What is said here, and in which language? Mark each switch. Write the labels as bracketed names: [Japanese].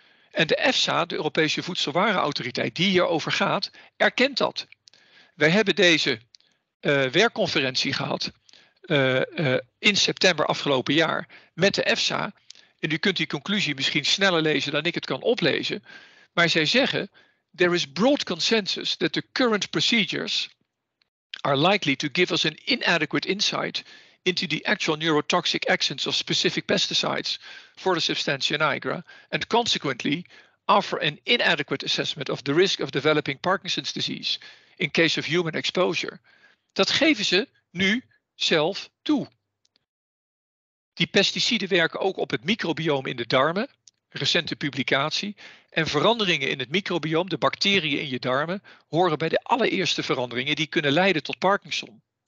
[Dutch] En de EFSA, de Europese Voedselwarenautoriteit, die hierover gaat, erkent dat. Wij hebben deze werkconferentie gehad in september afgelopen jaar met de EFSA. En u kunt die conclusie misschien sneller lezen dan ik het kan oplezen. Maar zij zeggen, [English] there is broad consensus that the current procedures are likely to give us an inadequate insight into the actual neurotoxic actions of specific pesticides for the substantia nigra, and consequently offer an inadequate assessment of the risk of developing Parkinson's disease in case of human exposure. [Dutch] Dat geven ze nu zelf toe. Die pesticiden werken ook op het microbiome in de darmen. recente publicatie. En veranderingen in het microbiome, de bacteriën in je darmen, horen bij de allereerste veranderingen die kunnen leiden tot Parkinson.